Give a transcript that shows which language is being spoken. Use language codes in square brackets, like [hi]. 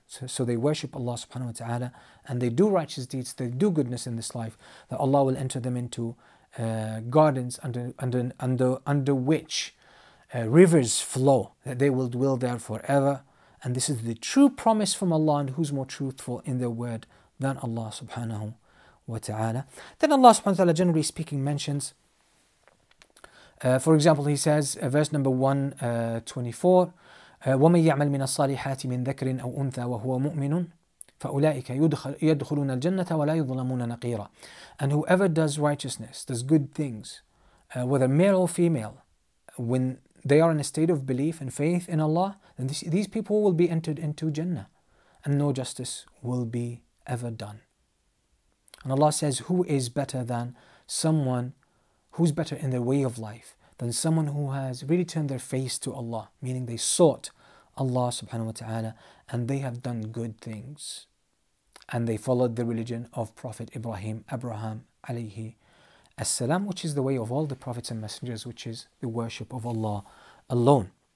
[en] So they worship Allah subhanahu wa ta'ala, and they do righteous deeds, they do goodness in this life, that Allah will enter them into gardens under which rivers flow, that they will dwell there forever. And this is the true promise from Allah, and who's more truthful in their word than Allah subhanahu wa ta'ala. Then Allah subhanahu wa ta'ala, generally speaking, mentions, for example, he says, verse number 124, [ar] وَمَنْ يَعْمَلْ مِنَ الصَّالِحَاتِ مِنْ ذَكْرٍ أَوْ أُنْثَى وَهُوَ مُؤْمِنٌ فَأُولَٰئِكَ يَدْخُلُونَ الْجَنَّةَ وَلَا يُظْلَمُونَ نَقِيرًا. [en] And whoever does righteousness, does good things, whether male or female, when they are in a state of belief and faith in Allah, then these people will be entered into Jannah, and no justice will be ever done. And Allah says, who is better than someone, who's better in their way of life than someone who has really turned their face to Allah, meaning they sought Allah subhanahu wa ta'ala, and they have done good things, and they followed the religion of Prophet Abraham alayhi as-salam, which is the way of all the prophets and messengers, which is the worship of Allah alone.